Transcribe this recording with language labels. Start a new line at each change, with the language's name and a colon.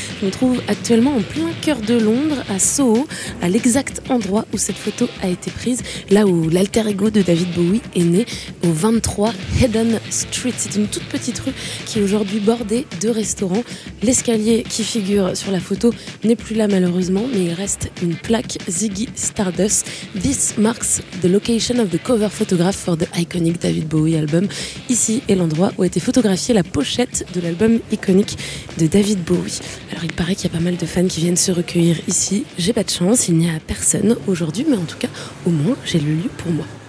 French: Je me trouve actuellement en plein cœur de Londres, à Soho, à l'exact endroit où cette photo a été prise, là où l'alter ego de David Bowie est né, au 23 Haddon Street. C'est une toute petite rue qui est aujourd'hui bordée de restaurants. L'escalier qui figure sur la photo n'est plus là malheureusement, mais il reste une plaque Ziggy Stardust.
English: This marks the location of the cover photograph for the iconic David Bowie album.
French: Ici est l'endroit où a été photographiée la pochette de l'album iconique de David Bowie. Alors il paraît qu'il y a pas mal de fans qui viennent se recueillir ici. J'ai pas de chance, il n'y a personne aujourd'hui, mais en tout cas, au moins, j'ai le lieu pour moi.